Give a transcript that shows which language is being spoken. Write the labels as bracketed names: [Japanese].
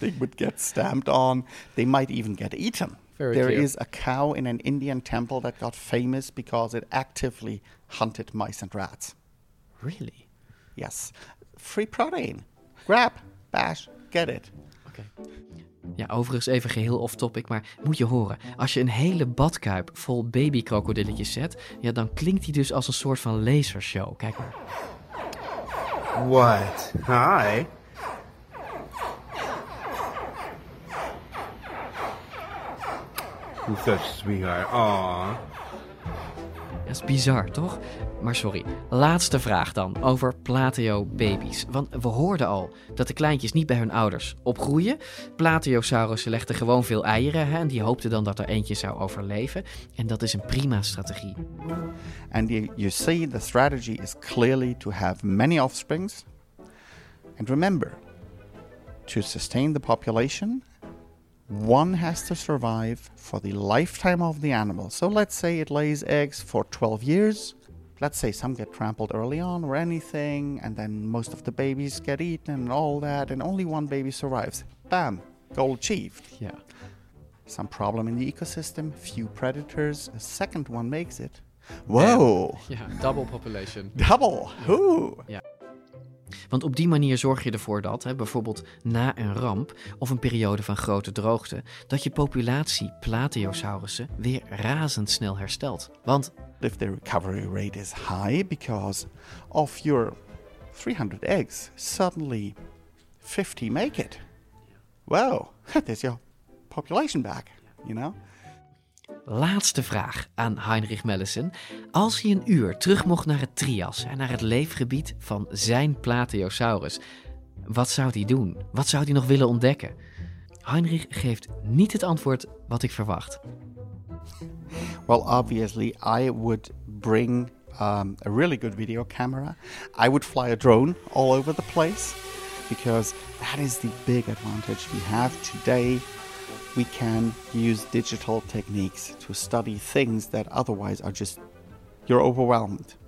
[English] They would get stamped on. They might even get eaten. Very there clear. Is a cow in an Indian temple that got famous because it actively hunted mice and rats. Really? Yes. Free protein. Grab, bash, get it. Okay. [Dutch] Ja, overigens even geheel off-topic, maar moet je horen. Als je een hele badkuip vol babykrokodilletjes zet, ja, dan klinkt die dus als een soort van lasershow. Kijk maar. [English] What? Hi. You're such a sweetheart. Aww. [Dutch] Dat is bizar, toch? Maar sorry, laatste vraag dan over plateobaby's. Want we hoorden al dat de kleintjes niet bij hun ouders opgroeien. Plateosaurussen legden gewoon veel eieren, hè, en die hoopten dan dat er eentje zou overleven. En dat is een prima strategie. [English] And you see, the strategy is clearly to have many offsprings. And remember, to sustain the population, one has to survive for the lifetime of the animal. So let's say it lays eggs for 12 years. Let's say some get trampled early on or anything, and then most of the babies get eaten and all that, and only one baby survives. Bam, goal achieved. Yeah. Some problem in the ecosystem, few predators, a second one makes it. Whoa. Yeah, double population. Double, whoo. Yeah. [Dutch] Want op die manier zorg je ervoor dat, hè, bijvoorbeeld na een ramp of een periode van grote droogte, dat je populatie plateosaurussen weer razendsnel herstelt. Want [English] if the recovery rate is high because of your 300 eggs, suddenly 50 make it. Wow, there's your population back, you know? [Dutch] Laatste vraag aan Heinrich Mellissen. Als hij een uur terug mocht naar het Trias en naar het leefgebied van zijn plateosaurus, wat zou hij doen? Wat zou hij nog willen ontdekken? Heinrich geeft niet het antwoord wat ik verwacht. [English] Well, obviously, I would bring a really good video camera. I would fly a drone all over the place. Because that is the big advantage we have today. We can use digital techniques to study things that otherwise are just, you're overwhelmed.